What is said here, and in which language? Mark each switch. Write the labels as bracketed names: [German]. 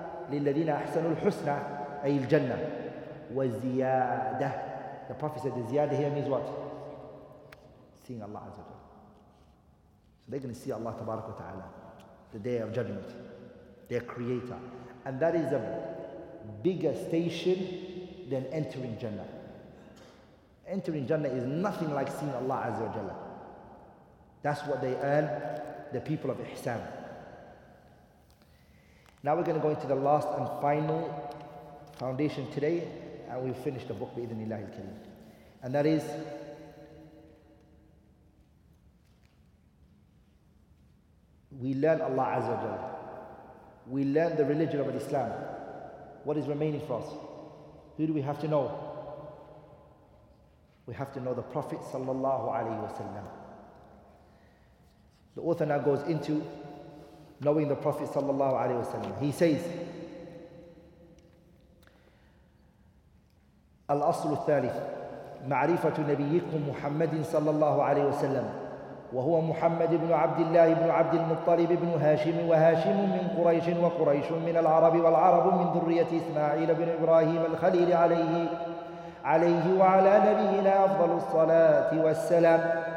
[Arabic] لِلَّذِينَ أَحْسَنُوا الْحُسْنَى أي الجنة وَزِيَادَةً. [English] The Prophet said, the ziyadah here means what? Seeing Allah Azza wa Jalla. So they're going to see Allah Tabarak wa Ta'ala, the Day of Judgment, their Creator. And that is a bigger station than entering Jannah. Entering Jannah is nothing like seeing Allah Azza wa Jalla. That's what they earn, the people of Ihsan. Now we're going to go into the last and final foundation today, and we'll finish the book [Arabic] بإذن الله الكريم. [English] And that is we learn Allah Azza wa Jalla. We learn the religion of Islam. What is remaining for us? Who do we have to know? We have to know the Prophet sallallahu alaihi wasallam. The author now goes into knowing the Prophet sallallahu alaihi wasallam. He says, [Arabic] الأصل الثالث معرفة نبيكم محمد صلى الله عليه وسلم وهو محمد بن عبد الله بن عبد المطلب بن هاشم وهاشم من قريش وقريش من العرب والعرب من ذرية إسماعيل بن إبراهيم الخليل عليه وعلى نبينا أفضل الصلاة والسلام.